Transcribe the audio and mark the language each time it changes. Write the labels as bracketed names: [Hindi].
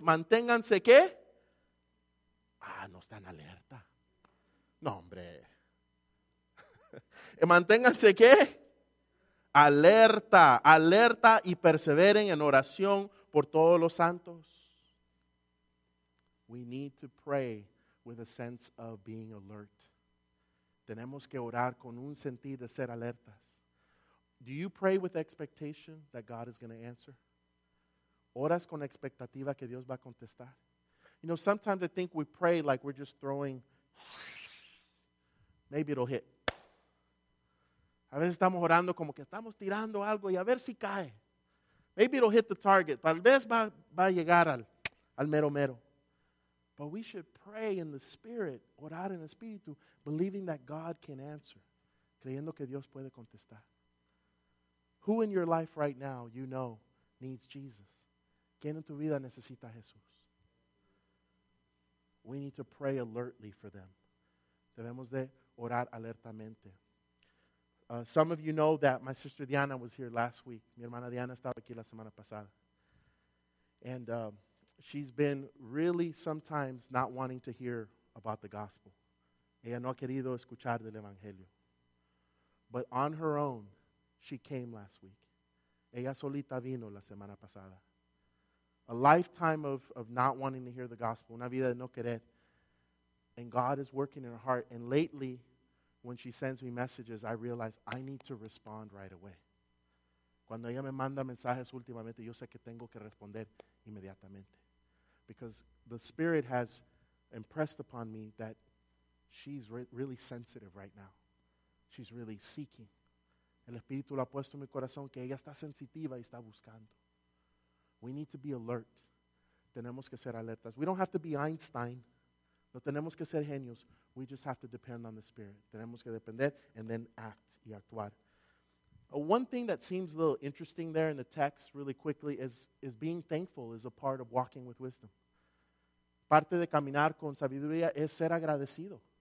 [Spanish] Manténganse, ¿qué? Ah, no están alerta. No, hombre. Manténganse, ¿qué? Alerta. Alerta y perseveren en oración por todos los santos. [English] We need to pray with a sense of being alert. [Spanish] Tenemos que orar con un sentido de ser alertas. [English] Do you pray with expectation that God is going to answer? [Spanish] Oras con expectativa que Dios va a contestar. [English] You know, sometimes I think we pray like we're just throwing, maybe it'll hit. [Spanish] A veces estamos orando como que estamos tirando algo y a ver si cae. [English] Maybe it'll hit the target. [Spanish] Tal vez va a llegar al mero mero. [English] But we should pray in the Spirit, [Spanish] orar en Espíritu, [English] believing that God can answer, [Spanish] creyendo que Dios puede contestar. [English] Who in your life right now, you know, needs Jesus? [Spanish] ¿Quién en tu vida necesita a Jesús? [English] We need to pray alertly for them. [Spanish] Debemos de orar alertamente. [English] Some of you know that my sister Diana was here last week. [Spanish] Mi hermana Diana estaba aquí la semana pasada. [English] And she's been really sometimes not wanting to hear about the gospel. [Spanish] Ella no ha querido escuchar del evangelio. [English] But on her own, she came last week. [Spanish] Ella solita vino la semana pasada. [English] A lifetime of not wanting to hear the gospel. [Spanish] Una vida de no querer. [English] And God is working in her heart. And lately, when she sends me messages, I realize I need to respond right away. [Spanish] Cuando ella me manda mensajes últimamente, yo sé que tengo que responder inmediatamente. [English] Because the Spirit has impressed upon me that she's really sensitive right now. She's really seeking. [Spanish] El Espíritu lo ha puesto en mi corazón que ella está sensitiva y está buscando. [English] We need to be alert. [Spanish] Tenemos que ser alertas. [English] We don't have to be Einstein. [Spanish] No tenemos que ser genios. [English] We just have to depend on the Spirit. [Spanish] Tenemos que depender [English] and then act [Spanish] y actuar. [English] One thing that seems a little interesting there in the text really quickly is being thankful is a part of walking with wisdom. [Spanish] Parte de caminar con sabiduría es ser agradecido.